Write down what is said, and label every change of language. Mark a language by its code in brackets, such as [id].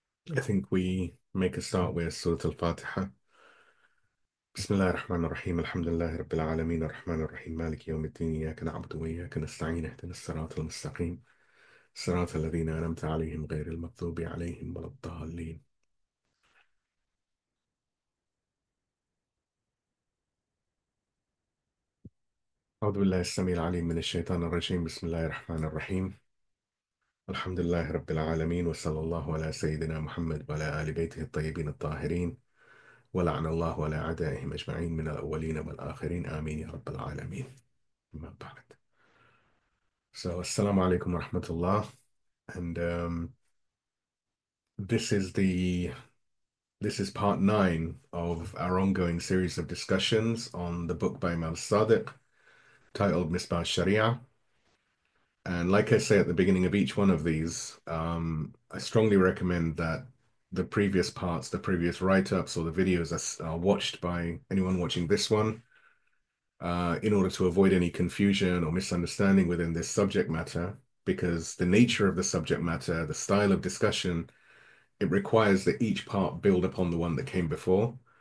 [en] I think we make a start with سورة الفاتحة. [ar] بسم الله الرحمن الرحيم، الحمد لله رب العالمين، الرحمن الرحيم، مالك يوم الدين، إياك نعبد وإياك نستعين، اهدنا الصراط المستقيم، صراط الذين أنعمت عليهم غير المغضوب عليهم ولا الضالين. أعوذ بالله السميع العليم من الشيطان الرجيم. بسم الله الرحمن الرحيم، الحمد لله رب العالمين، وصلى الله على سيدنا محمد وعلى آل بيته الطيبين الطاهرين، ولعن الله على أعدائهم أجمعين من الأولين والآخرين، آمين يا رب العالمين. أما بعد، so السلام عليكم ورحمة الله. [en] And this is part 9 of our ongoing series of discussions on the book by Imam Sadiq titled Misbah al-Sharia. And like I say at the beginning of each one of these, I strongly recommend that the previous parts, the previous write-ups or the videos are watched by anyone watching this one in order to avoid any confusion or misunderstanding within this subject matter, because the nature of the subject matter, the style of discussion, it requires that each part build upon the one that came before.